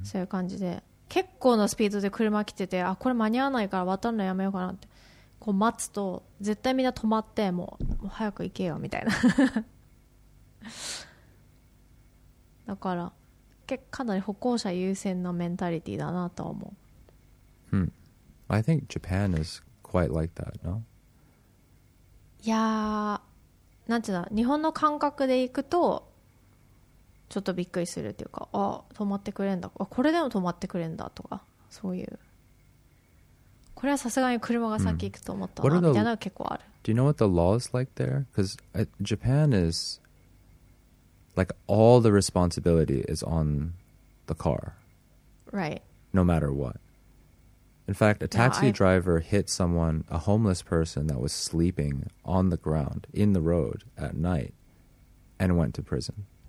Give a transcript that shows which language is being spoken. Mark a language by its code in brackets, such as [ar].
[ja] そういう感じで結構のスピードで車来てて、あ、これ間に合わないから渡るのやめようかなって、こう待つと絶対みんな止まってもう早く行けよみたいな。だから結構かなり歩行者優先のメンタリティだなと思う。 [en] うん、I think Japan is quite like that, no? [ja] いやー、なんていうの、日本の感覚で行くとちょっとびっくりするっていうか、あ、止まってくれんだ、あ、これでも止まってくれんだとか、そういう、これはさすがに車が先行くと思ったな、うん、みたいなの結構ある。 [en] Do you know what the law is like there? Because Japan is like all the responsibility is on the car, right? No matter what. In fact, a taxi driver hit someone, a homeless person that was sleeping on the ground in the road at night and went to prison.